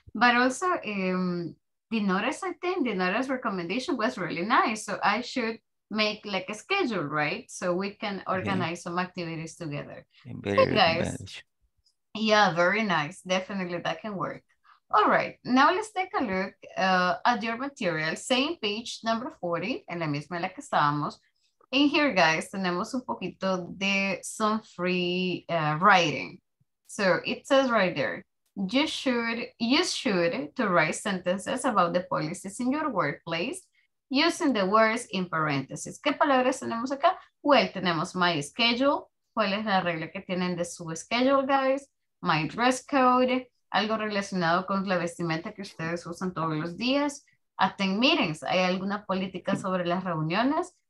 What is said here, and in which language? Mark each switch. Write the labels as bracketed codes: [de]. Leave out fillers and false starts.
[en] But also, Dinora's, I think, Dinora's recommendation was really nice. So I should make a schedule, right? So we can organize some activities together. Hey, guys. Yeah, very nice. Definitely that can work. All right, now let's take a look at your material. Same page, [es] number 40, en la misma en la que estábamos. [en] In here, guys, [es] tenemos un poquito de [en] some free writing. So it says right there, you should to write sentences about the policies in your workplace using the words in parentheses. [es] ¿Qué palabras tenemos acá? Well, tenemos my schedule. ¿Cuál es la regla que tienen de su schedule, guys? My dress code, algo relacionado con la vestimenta que ustedes usan todos los días. Attend meetings, ¿hay alguna política sobre las reuniones?